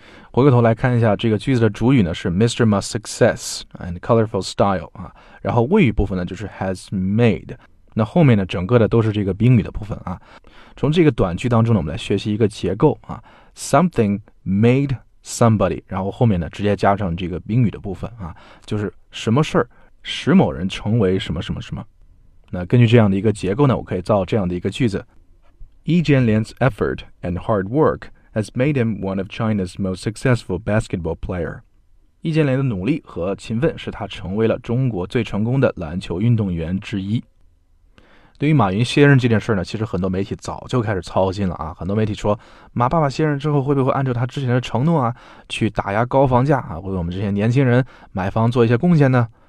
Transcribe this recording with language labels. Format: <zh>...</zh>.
<zh>回过头来看一下这个句子的主语呢是</zh> <en>Mr. Ma's success and colorful style</en> <zh>啊，然后谓语部分呢就是</zh> <en>has made，</en> <zh>那后面呢整个的都是这个宾语的部分啊。从这个短句当中呢，我们来学习一个结构啊，</zh> <en>something made somebody，</en> <zh>然后后面呢直接加上这个宾语的部分啊，就是什么事使某人成为什么什么什么。那根据这样的一个结构呢，我可以造这样的一个句子。</zh> <en>Yi Jianlian's effort and hard workhas made him one of China's most successful basketball player.</en> <zh>易建联的努力和勤奋使他成为了中国最成功的篮球运动员之一。对于马云卸任这件事呢，其实很多媒体早就开始操心了啊。很多媒体说马爸爸卸任之后会不会按照他之前的承诺啊去打压高房价啊，为我们这些年轻人买房做一些贡献呢。</zh>